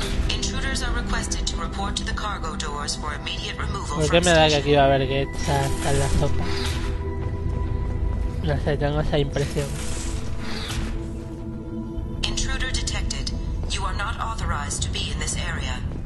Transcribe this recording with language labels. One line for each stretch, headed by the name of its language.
English: Intruders are requested to report to the cargo doors for immediate removal.
Spanish: ¿Por qué me da que aquí va a haber Getsa hasta la sopa? No sé, tengo esa impresión.
English: Intruder detected. You are not authorized to be in this area.